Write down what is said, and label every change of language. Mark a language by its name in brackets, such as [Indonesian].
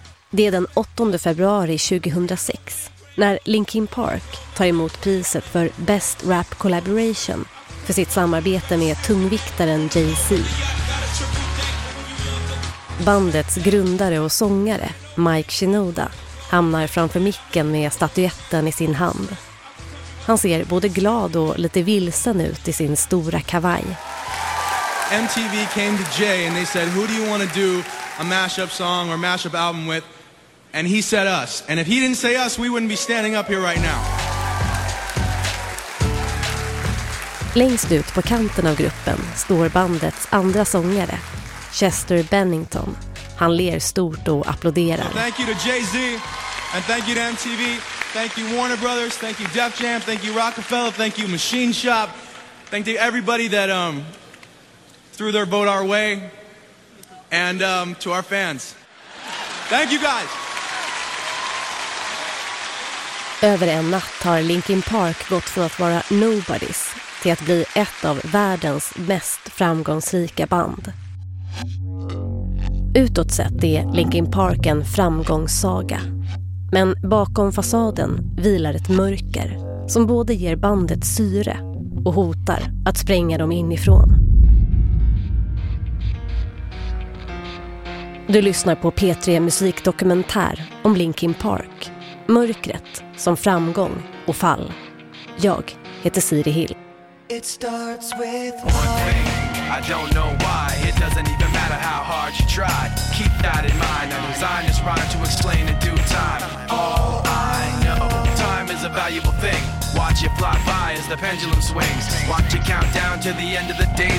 [Swedish] Det är den 8 februari 2006 när Linkin Park tar emot priset för Best Rap Collaboration för sitt samarbete med tungviktaren Jay-Z. Bandets grundare och sångare, Mike Shinoda, hamnar framför micken med statuetten i sin hand. Han ser både glad och lite vilsen ut i sin stora kavaj. [English] MTV came to Jay and they said, "Who do you want to do a mashup song or mashup album with?" And he said us. And if he didn't say us, we wouldn't be standing up here right now. [Swedish] Längst ut på kanten av gruppen står bandets andra sångare, Chester Bennington. Han ler stort och applåderar. [English] So thank you to Jay-Z and thank you to MTV. Thank you Warner Brothers, thank you Def Jam, thank you Rockefeller, thank you Machine Shop. Thank you everybody that threw their vote our way and to our fans. Thank you guys. [Swedish] Över en natt har Linkin Park gått från att vara nobodies till att bli ett av världens mest framgångsrika band. Utåt sett är Linkin Park en framgångssaga. Men bakom fasaden vilar ett mörker som både ger bandet syre och hotar att spränga dem inifrån. Du lyssnar på P3 musikdokumentär om Linkin Park. Mörkret som framgång och fall. Jag heter Siri Hill. [English] It starts with one thing. I don't know why. It doesn't even matter how hard you try. Keep that in mind. I'm designed this rhyme to explain in due time. All I know, time is a valuable thing. Watch it fly by as the pendulum swings. Watch it count down to the end of the day.